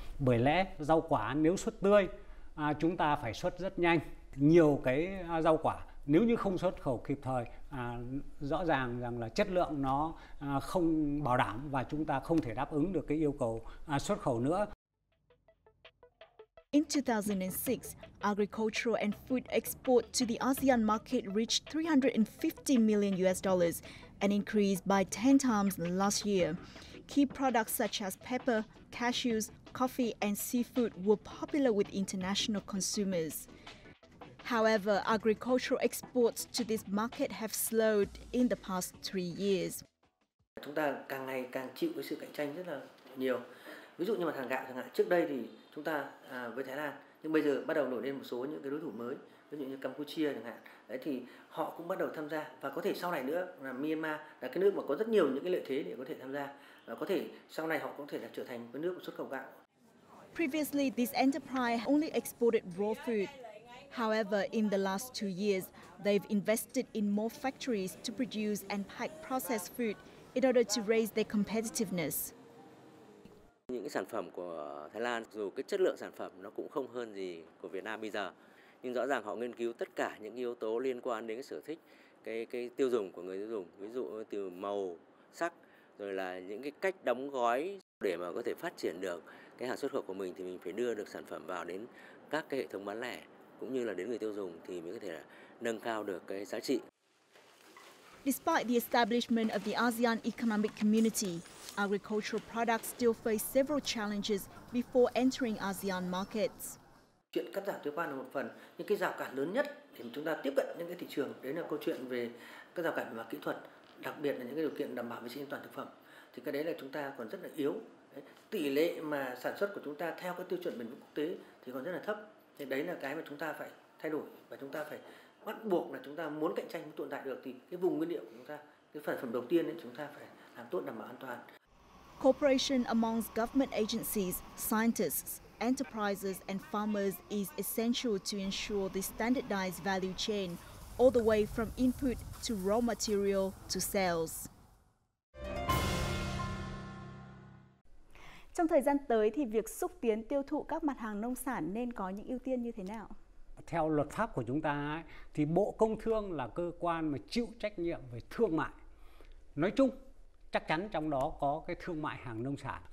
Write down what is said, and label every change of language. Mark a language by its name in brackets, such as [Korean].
[Vietnamese] Bởi lẽ rau quả nếu xuất tươi, chúng ta phải xuất rất nhanh. Nhiều cái rau quả nếu như không xuất khẩu kịp thời, rõ ràng rằng là chất lượng nó không bảo đảm và chúng ta không thể đáp ứng được cái yêu cầu xuất khẩu nữa. [English] In 2006, agricultural and food export to the ASEAN market reached $350 million, an increase by 10 times last year. Key products such as pepper, cashews, coffee and seafood were popular with international consumers. However, agricultural exports to this market have slowed in the past 3 years. [Vietnamese] Chúng ta càng ngày càng chịu với sự cạnh tranh rất là nhiều. Ví dụ như mặt hàng gạo chẳng hạn, trước đây thì chúng ta với Thái Lan, nhưng bây giờ bắt đầu nổi lên một số những cái đối thủ mới, ví dụ như Campuchia chẳng hạn. Đấy thì họ cũng bắt đầu tham gia và có thể sau này nữa là Myanmar là cái nước mà có rất nhiều những cái lợi thế để có thể tham gia và có thể sau này họ cũng có thể là trở thành cái nước xuất khẩu gạo. [English] Previously, this enterprise only exported raw food. However, in the last 2 years, they've invested in more factories to produce and pack processed food in order to raise their competitiveness. [Vietnamese] Những cái sản phẩm của Thái Lan, dù cái chất lượng sản phẩm nó cũng không hơn gì của Việt Nam bây giờ, nhưng rõ ràng họ nghiên cứu tất cả những yếu tố liên quan đến cái sở thích, cái tiêu dùng của người tiêu dùng, ví dụ từ màu, sắc, rồi là những cái cách đóng gói để mà có thể phát triển được cái hàng xuất khẩu của mình thì mình phải đưa được sản phẩm vào đến các cái hệ thống bán lẻ, cũng như là đến người tiêu dùng thì mới có thể là nâng cao được cái giá trị. [English] Despite the establishment of the ASEAN Economic Community, agricultural products still face several challenges before entering ASEAN markets. [Vietnamese] Chuyện cắt giảm thuế quan là một phần, nhưng cái rào cản lớn nhất để chúng ta tiếp cận những cái thị trường đấy là câu chuyện về các rào cản về kỹ thuật, đặc biệt là những cái điều kiện đảm bảo vệ sinh an toàn thực phẩm. Thì cái đấy là chúng ta còn rất là yếu. Tỷ lệ mà sản xuất của chúng ta theo cái tiêu chuẩn bền vững quốc tế thì còn rất là thấp. Thì đấy là cái mà chúng ta phải thay đổi và chúng ta phải bắt buộc là chúng ta muốn cạnh tranh tồn tại được thì cái vùng nguyên liệu của chúng ta, cái phần phẩm đầu tiên thì chúng ta phải làm tốt đảm bảo an toàn. [English] Cooperation amongst government agencies, scientists, enterprises and farmers is essential to ensure the standardized value chain all the way from input to raw material to sales. [Vietnamese] Trong thời gian tới thì việc xúc tiến tiêu thụ các mặt hàng nông sản nên có những ưu tiên như thế nào? Theo luật pháp của chúng ta ấy, thì Bộ Công Thương là cơ quan mà chịu trách nhiệm về thương mại. Nói chung, chắc chắn trong đó có cái thương mại hàng nông sản.